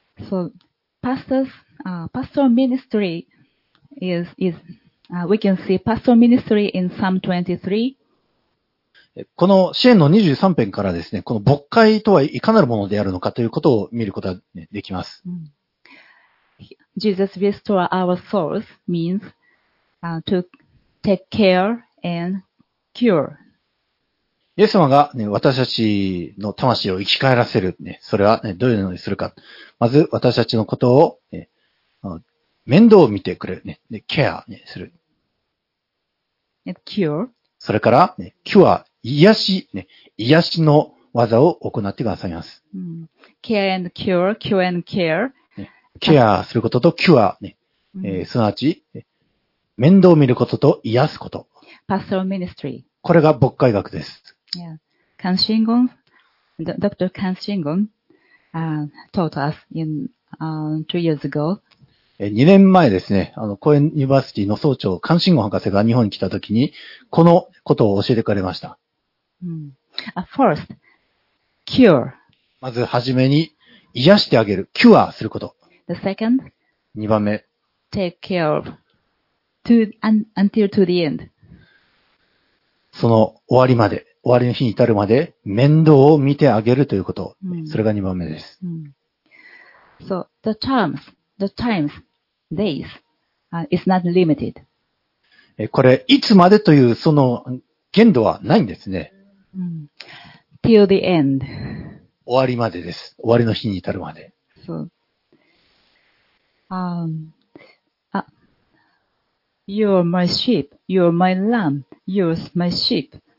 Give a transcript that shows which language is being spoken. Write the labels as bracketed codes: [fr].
[en] So, pastor ministry is, we can see pastor ministry in Psalm 23. [ja] この詩篇の23篇からですね、この牧会とはいかなるものであるのかということを見ることができます。 [en] Jesus restore our souls means to take care and cure. [ja] イエス様が、ね、私たちの魂を生き返らせる、ね、それは、ね、どういうのにするか。まず私たちのことを、ね、面倒を見てくれる、ね、でケアにする。 [en] And cure. [ja] それから、ね、キュア癒し、ね、癒しの技を行ってくださいます。 [en] Care and cure, cure and care.、 [ja] ね、ケアすることと、キュア、ね、すなわち、面倒を見ることと、癒すこと。 [en] Pastoral ministry. [ja] これが牧会学です。 [en] Yeah. Kan Shingon, Dr. Kan Shingon, taught us in, 2 years ago. [ja] 2年前ですね、コエンユニバーシティの総長、カンシンゴン博士が日本に来たときに、このことを教えてくれました。 [en] First, cure. [ja] まずはじめに癒してあげる、キュアすること。 [en] The second, [ja] 2番目、 [en] take care of to, until to the end. [ja] その終わりまで、終わりの日に至るまで面倒を見てあげるということ、それが2番目です。 [en] So, the terms, the times, days, is not limited. [ja] これ、いつまでというその限度はないんですね。 [en] Till the end. [ja] 終わりまでです。終わりの日に至るまで。 [en] So, you're my sheep, you're my lamb, you're my sheep.